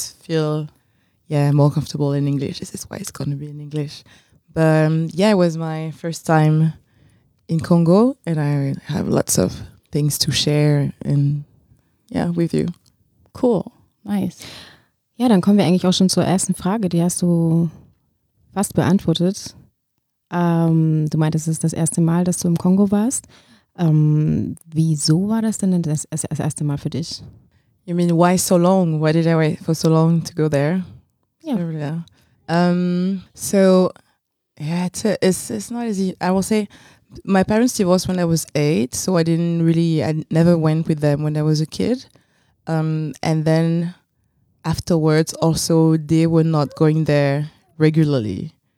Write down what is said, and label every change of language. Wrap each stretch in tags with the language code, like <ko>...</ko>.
<en>I just feel more comfortable in English. This is why it's going to be in English. But yeah, it was my first time in Congo and I have lots of things to share and yeah, with you. Cool. Nice.</en> <de>Ja, dann kommen wir eigentlich auch schon zur ersten Frage. Die hast du fast beantwortet. Du meintest, es ist das erste Mal, dass du im Kongo warst. Wieso war das denn das erste Mal für dich?</de> <en>You mean, why so long? Why did I wait for so long to go there? Yeah. It's not easy. I will say, my parents divorced when I was 8, so I never went with them when I was a kid. And then afterwards, also, they were not going there regularly.</en>